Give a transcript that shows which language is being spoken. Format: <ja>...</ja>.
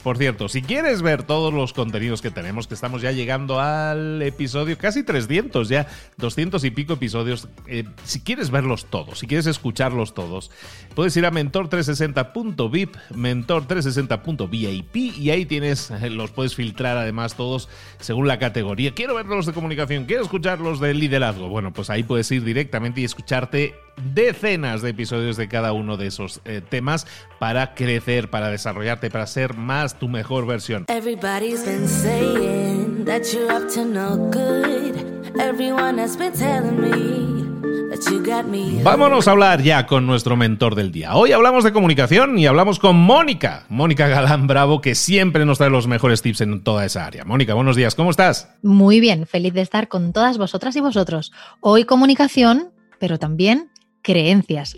<es>Por cierto, si quieres ver todos los contenidos que tenemos, que estamos ya llegando al episodio casi 300, ya 200 y pico episodios, si quieres verlos todos, si quieres escucharlos todos, puedes ir a mentor360.vip, mentor360.vip, y ahí tienes, los puedes filtrar además todos según la categoría. Quiero ver los de comunicación, quiero escuchar los de liderazgo. Bueno, pues ahí puedes ir directamente y escucharte decenas de episodios de cada uno de esos temas para crecer, para desarrollarte, para ser más tu mejor versión.</es> <en>Everybody's been saying that you're up to no good. Everyone has been telling me.</en> <es>Vámonos a hablar ya con nuestro mentor del día. Hoy hablamos de comunicación y hablamos con Mónica, Mónica Galán Bravo, que siempre nos trae los mejores tips en toda esa área. Mónica, buenos días, ¿cómo estás? Muy bien, feliz de estar con todas vosotras y vosotros. Hoy comunicación, pero también creencias.</es>